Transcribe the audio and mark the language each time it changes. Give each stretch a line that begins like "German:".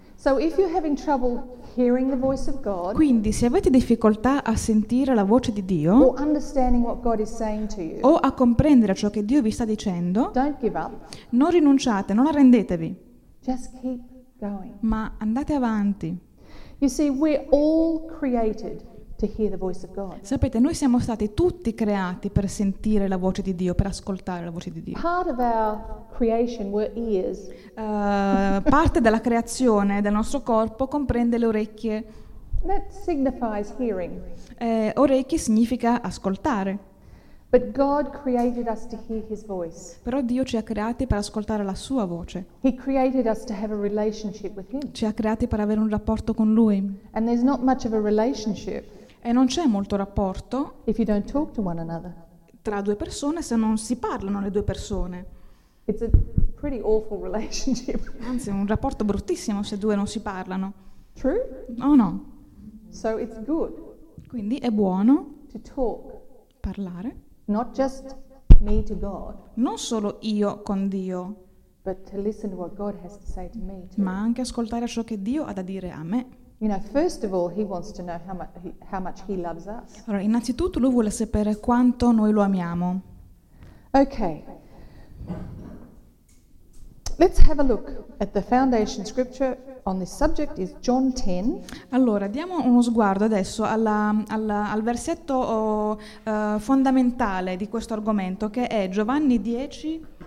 English: So if you're having trouble hearing the voice of God,
Italian: quindi se avete difficoltà a sentire la voce di Dio,
English: or understanding what God is saying to you,
Italian: o a comprendere ciò che Dio vi sta dicendo,
English: don't give up.
Italian: Non rinunciate, non arrendetevi.
English: Just keep going.
Italian: Ma andate avanti.
English: You see, we're all created to hear the voice of God.
Italian: Sapete, noi siamo stati tutti creati per sentire la voce di Dio, per ascoltare la voce di Dio.
English: Part of our creation were ears.
Italian: Parte della creazione del nostro corpo comprende le orecchie.
English: That signifies hearing.
Italian: Orecchie significa ascoltare.
English: But God created us to hear his voice.
Italian: Però Dio ci ha creati per ascoltare la sua voce.
English: He created us to have a relationship with him.
Italian: Ci ha creati per avere un rapporto con lui.
English: And there's not much of a relationship.
Italian: E non c'è molto rapporto
English: if you don't talk to one another.
Italian: Tra due persone se non si parlano le due persone.
English: It's a pretty awful relationship.
Italian: Anzi, è un rapporto bruttissimo se due non si parlano.
English: True? Oh no. So it's good.
Italian: Quindi è buono
English: to talk.
Italian: Parlare.
English: Not just me to God.
Italian: Non solo io con Dio.
English: But to listen to what God has to say to me too.
Italian: Ma anche ascoltare ciò che Dio ha da dire a me.
English: You know, first of all, he wants to know how much he loves us.
Italian: Allora, innanzitutto lui vuole sapere quanto noi lo amiamo.
English: Okay. Let's have a look at the foundation scripture on this subject is John 10.
Italian: Allora, diamo uno sguardo adesso al versetto fondamentale di questo argomento che è Giovanni 10.